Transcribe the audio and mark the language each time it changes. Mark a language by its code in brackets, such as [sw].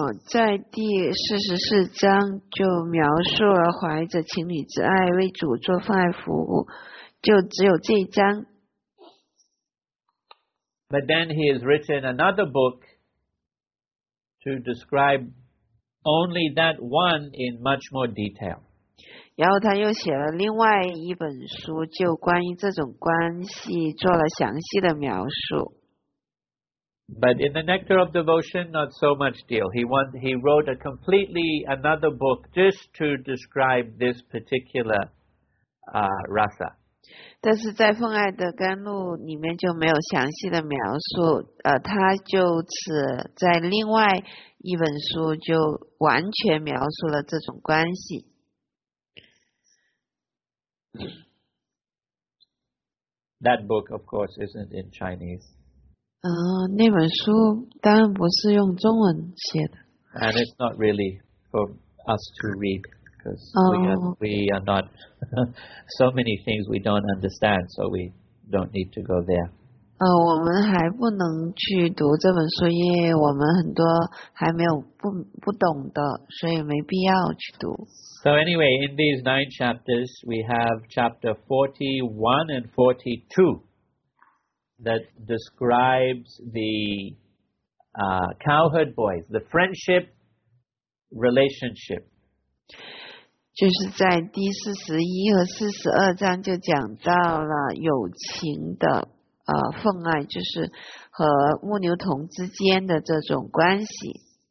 [zh] 在第44章就描述了怀着情侣之爱为主做奉爱服务，就只有这一章。 [en] But then he has written another book to describe only that one in much more detail. [zh] 然后他又写了另外一本书，就关于这种关系做了详细的描述。 [en] But in the Nectar of Devotion, not so much deal. He wrote a completely another book just to describe this particular rasa. [zh] 但是在奉爱的甘露里面就没有详细的描述，他就此在另外一本书就完全描述了这种关系。 [en] That book, of course, isn't in Chinese. [zh] 那本书当然不是用中文写的。 [en] And it's not really for us to read, because we are not, so many things we don't understand, so we don't need to go there. [zh] 我们还不能去读这本书，因为我们很多还没有不懂的，所以没必要去读。 [en] So anyway, in these nine chapters, we have chapter 41 and 42 that describes the cowherd boys, the friendship relationship. [zh] 就是在第41和42章就讲到了友情的奉爱，就是和牧牛童之间的这种关系。